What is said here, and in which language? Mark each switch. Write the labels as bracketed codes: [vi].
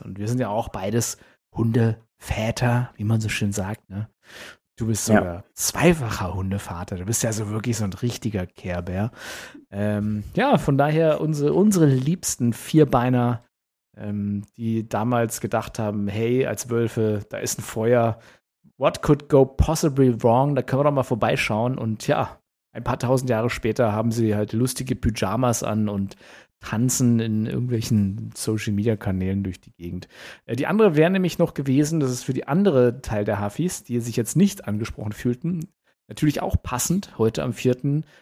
[de] Und wir sind ja auch beides Hundeväter, wie man so schön sagt, ne? Du bist sogar zweifacher Hundevater. Du bist ja so wirklich so ein richtiger Care-Bär. Von daher unsere liebsten Vierbeiner, die damals gedacht haben, hey, als Wölfe, da ist ein Feuer. [en] What could go possibly wrong? [de] Da können wir doch mal vorbeischauen. Und ja, ein paar tausend Jahre später haben sie halt lustige Pyjamas an und tanzen in irgendwelchen Social-Media-Kanälen durch die Gegend. Die andere wäre nämlich noch gewesen, das ist für die andere Teil der Haffis, die sich jetzt nicht angesprochen fühlten, natürlich auch passend, heute am 4.